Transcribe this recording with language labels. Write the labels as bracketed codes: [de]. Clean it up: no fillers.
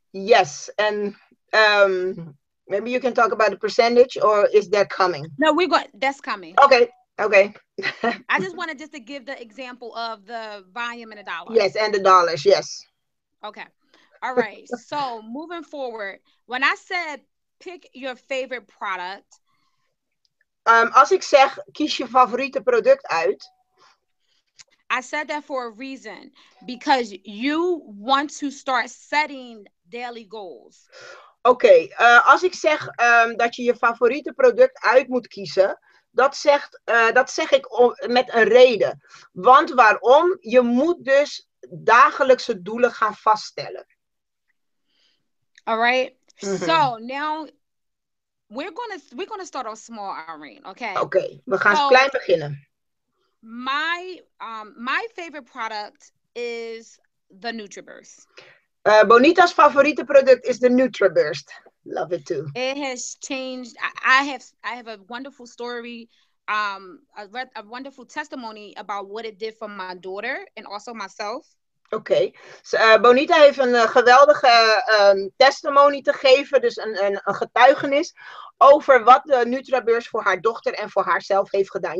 [en] Yes, and maybe you can talk about the percentage, or is that coming? No, we're going, that's coming. Okay, okay. I just wanted just to give the example of the volume and the dollars. Yes, and the dollars, yes. Okay, all right. So moving forward, when I said pick your favorite product, [nl] Als ik zeg, kies je favoriete product uit. [en] I said that for a reason. Because you want to start setting daily goals. [nl] Okay, als ik zeg dat je favoriete product uit moet kiezen, dat zeg ik met een reden. Want waarom? Je moet dus dagelijkse doelen gaan vaststellen. [en] All right, so now We're gonna start off small, Irene. Okay. [nl] Okay. We gaan so, klein beginnen. [en] My favorite product is the NutriBurst. [nl] Bonita's favoriete product is the NutriBurst. [en] Love it too. It has changed. I have a wonderful story. A wonderful testimony about what it did for my daughter and also myself. Okay. [nl] Bonita heeft een geweldige testimony te geven, dus een getuigenis over wat de NutriBurst voor haar dochter en voor haarzelf heeft gedaan.